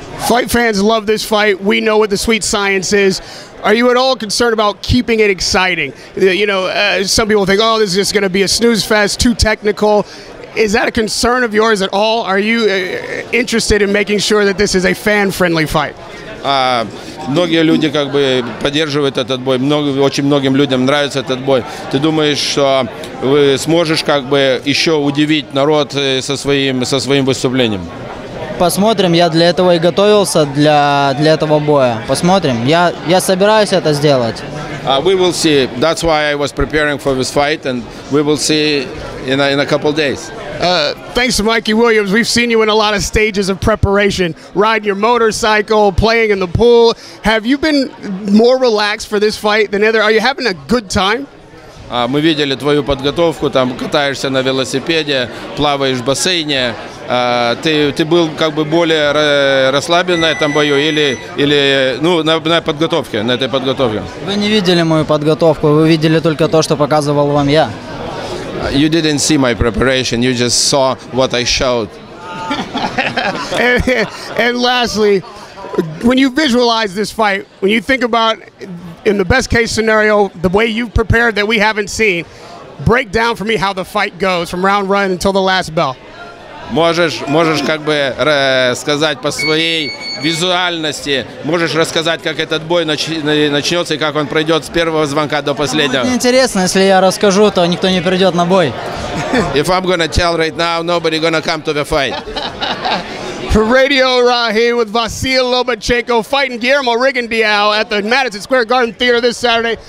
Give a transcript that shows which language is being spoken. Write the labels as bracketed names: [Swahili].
[English] Fight fans love this fight. We know what the sweet science is. Are you at all concerned about keeping it exciting? You know, some people think, oh, this is just going to be a snooze fest, too technical. Is that a concern of yours at all? Are you interested in making sure that this is a fan-friendly fight? [Russian] Многие люди как бы поддерживают этот бой. Очень многим людям нравится этот бой. Ты думаешь, что вы сможешь как бы еще удивить народ со своим выступлением? Посмотрим, я для этого и готовился для этого боя. Посмотрим. Я собираюсь это сделать. [English] We will see. That's why I was preparing for this fight, and we will see in a couple days. Thanks to Mikey Williams. We've seen you in a lot of stages of preparation, riding your motorcycle, playing in the pool. Have you been more relaxed for this fight than either? Are you having a good time? [Russian] Мы видели твою подготовку, там катаешься на велосипеде, плаваешь в бассейне. Ты был как бы более расслаблен на этом бою или ну, на подготовке, на этой подготовке? Вы не видели мою подготовку, вы видели только то, что показывал вам я. [English] You didn't see my preparation, you just saw what I showed. And lastly, when you visualize this fight, when you think about, in the best case scenario, the way you've prepared that we haven't seen, break down for me how the fight goes from round one until the last bell. [Russian] Можеш как бы сказать по своей визуальности, можешь рассказать, как этот бой начнется и как он пройдет с первого звонка до последнего. Будет интересно, если я расскажу, то никто не придет на бой. [English] If I'm gonna tell right now, nobody gonna come to the fight. Radio Raheem with Vasyl Lomachenko fighting Guillermo Rigondeaux at the Madison Square Garden Theater this Saturday.